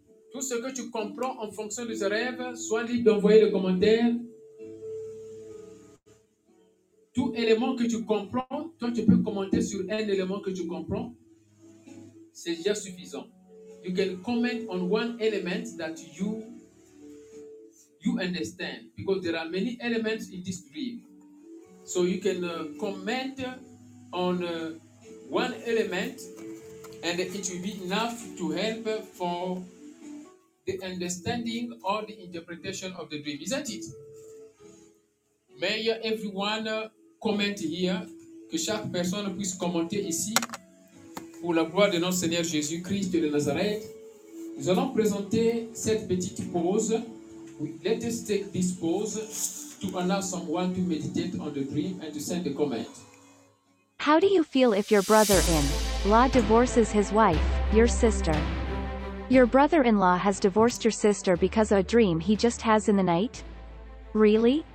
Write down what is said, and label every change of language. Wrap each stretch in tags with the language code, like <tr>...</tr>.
<fr>Tout ce que tu comprends en fonction de ce rêve, sois libre d'envoyer le commentaire. Tout élément que tu comprends, toi tu peux commenter sur un élément que tu comprends, c'est déjà suffisant.</fr> <en>You can comment on one element that you understand, because there are many elements in this dream. So you can comment on one element and it will be enough to help for the understanding or the interpretation of the dream, isn't it? May everyone comment here,</en> <fr>que chaque personne puisse commenter ici pour la gloire de notre Seigneur Jésus-Christ de Nazareth. Nous allons présenter cette petite pause.</fr> <en>Let us take this pause to allow someone to meditate on the dream and to send a comment. How do you feel if your brother-in-law divorces his wife, your sister? Your brother-in-law has divorced your sister because of a dream he just has in the night? Really?</en>